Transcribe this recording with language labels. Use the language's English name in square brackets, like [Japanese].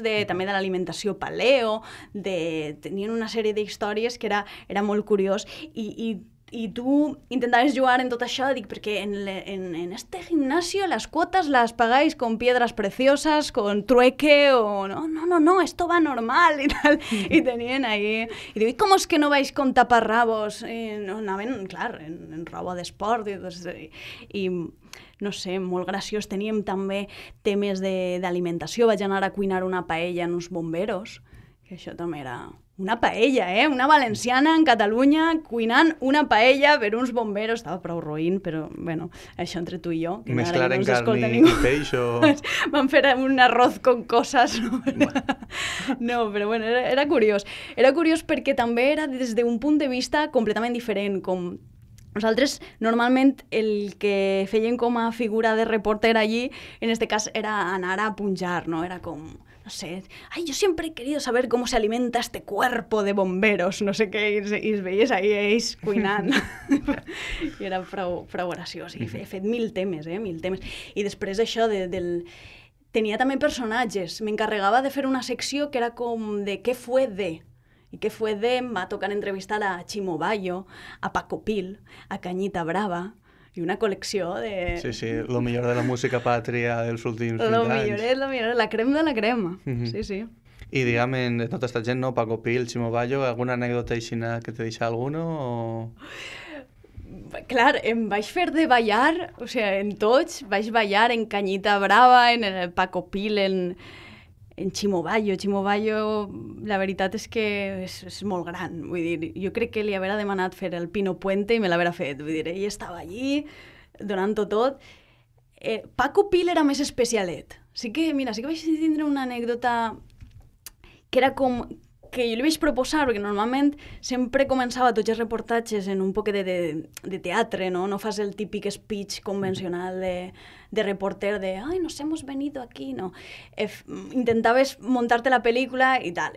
[Catalan] També de l'alimentació paleo, tenien una sèrie d'històries que era molt curiós i tu intentaves jugar en tot això, dic, perquè [Spanish] en este gimnasio las cuotas las pagáis con piedras preciosas, con trueque o... No, esto va normal y tal. [Catalan] I tenien ahí... I diu, [Spanish] ¿cómo es que no vais con taparrabos? [Catalan] I no, anaven, clar, en roba d'esport i no sé, molt graciós. Teníem també temes d'alimentació. Vaig anar a cuinar una paella en uns bomberos, que això també era... Una paella, ¿eh? Una valenciana en Cataluña cuinant una paella per uns bomberos. Estava prou roïn, però, bueno, això entre tu i jo. Que mesclar en carn i peix o... Van fer un [Spanish] arroz con cosas. [Catalan] No, bueno. No, però, bueno, era curiós. Era curiós perquè també era des d'un punt de vista completament diferent, com... Nosaltres, normalment, el que feien com a figura de reporter allí, en este cas, era anar a punjar, no? Era com... [Spanish] No sé, ay, yo siempre he querido saber cómo se alimenta este cuerpo de bomberos, no sé qué, y os veis ahí, [Catalan] cuinant. Y era prou graciós, y he fet mil temes, mil temes. Y després d'això, tenia també personatges, m'encarregava de fer una secció que era com de què [Spanish] fue de, [Catalan] i què fue de, em va tocar entrevistar a Chimo Bayo, a Paco Pil, a Cañita Brava... I una col·lecció de... Sí, sí, lo millor de la música pàtria dels últims 20 anys. Lo millor, la crema de la crema, sí, sí. I diguem, de tota aquesta gent, no? Paco Pil, Chimo Bayo, alguna anècdota aixina que te deixa alguno o...? Clar, em vaig fer de ballar, o sigui, en tots, vaig ballar en Cañita Brava, en el Paco Pil, en Chimo Bayo. Chimo Bayo, la veritat és que és molt gran, vull dir, jo crec que li haverà demanat fer el Pino Puente i me l'haverà fet, vull dir, ell estava allí donant-ho tot. Paco Pil era més especialet. Sí que, mira, sí que vaig tindre una anècdota que era com que jo li vaig proposar, perquè normalment sempre començava tots els reportatges en un poquet de teatre, no? No fas el típic speech convencional de reporter de [Spanish] «Ai, nos hemos venido aquí», [Catalan] no? Intentaves muntar-te la pel·lícula i tal.